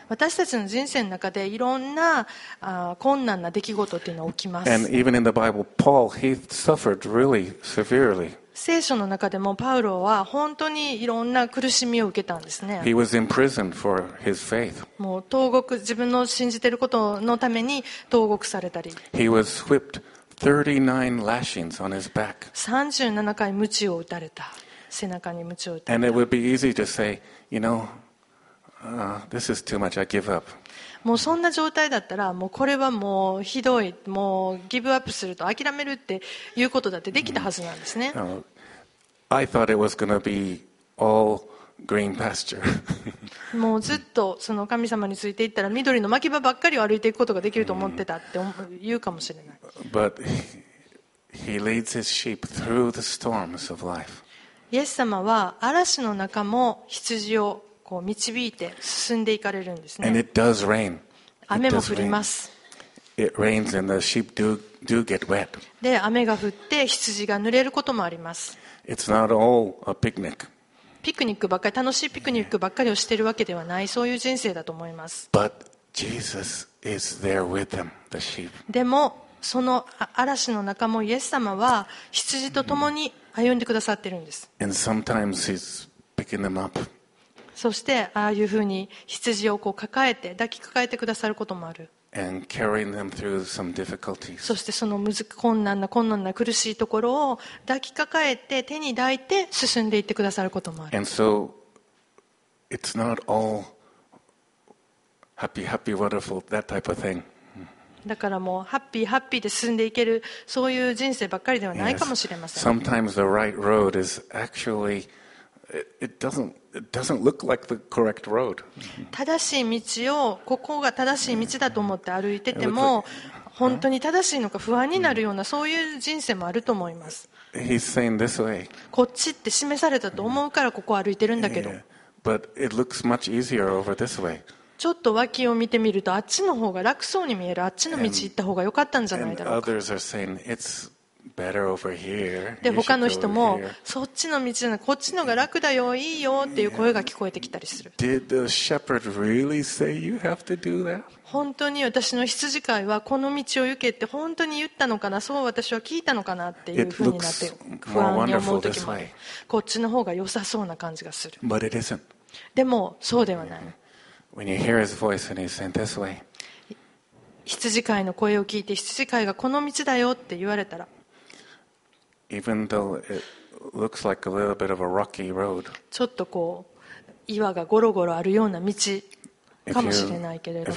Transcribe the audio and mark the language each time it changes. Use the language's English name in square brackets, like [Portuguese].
[Japanese] 私たちの人生の中でいろんな困難な出来事というのが起きます。 [English] And even in the Bible, Paul, he suffered really severely. [Japanese] 聖書の中でもパウロは本当にいろんな苦しみを受けたんですね。 [English] He was in prison for his faith. [Japanese] もう投獄、自分の信じていることのために投獄されたり。 [English] He was whipped 39 lashings on his back. [Japanese] 37回鞭を打たれた。背中に鞭を打たれた。 [English] And it would be easy to say,You know, this is too much. I give up. [Japanese] もうそんな状態だったら、もうこれはもうひどい、もうギブアップすると諦めるっていうことだってできたはずなんですね。 [English] I thought it was gonna be all green pasture. [Japanese] もうずっとその神様についていったら緑の牧場ばっかりを歩いていくことができると思ってたって言うかもしれない。 [English] But he leads his sheep through the storms of life. [Japanese] イエス様は嵐の中も羊をこう導いて進んでいかれるんですね。 [English] And it does rain. [Japanese] 雨も降ります。 [English] It rains and the sheep do get wet. [Japanese] で、雨が降って羊が濡れることもあります。 [English] It's not all a picnic. [Japanese] ピクニックばっかり、楽しいピクニックばっかりをしているわけではない、そういう人生だと思います。 [English] But Jesus is there with them, the sheep. [Japanese] でも、その嵐の中もイエス様は羊と共に歩んでくださってるんです。 [English] And sometimes he's picking them up. [Japanese] そしてああいうふうに羊をこう抱えて抱きかかえてくださることもある。 [English] And carrying them through some difficulties. [Japanese] そしてその困難な苦しいところを抱きかかえて手に抱いて進んでいってくださることもある。 [English] And so it's not all happy, happy, wonderful, that type of thing. [Japanese] だからもうハッピーハッピーで進んでいけるそういう人生ばっかりではないかもしれません。 [English] Sometimes the right road is actually it doesn't look like the correct road. [Japanese] 正しい道をここが正しい道だと思って歩いてても本当に正しいのか不安になるようなそういう人生もあると思います。 [English] He's saying this way. [Japanese] こっちって示されたと思うからここ歩いてるんだけど、 [English] But it looks much easier over this way. [Japanese] ちょっと脇を見てみるとあっちの方が楽そうに見える、あっちの道行った方が良かったんじゃないだろうか。 [English] Others are saying it'sBetter over here. [Japanese] で他の人もそっちの道じゃなくこっちのが楽だよいいよっていう声が聞こえてきたりする。 [English] Did the shepherd really say you have to do that? [Japanese] 本当に私の羊飼いはこの道を行けって本当に言ったのかな、そう私は聞いたのかなっていうふうになって不安に思う時もある。こっちの方が良さそうな感じがする。 [English] But it isn't. [Japanese] でもそうではない。 [English] When you hear his voice and he's saying this way. [Japanese] 羊飼いの声を聞いて羊飼いがこの道だよって言われたら。 [English] Even though it looks like a little bit of a rocky road. [Japanese] ちょっとこう岩がゴロゴロあるような道かもしれないけれども。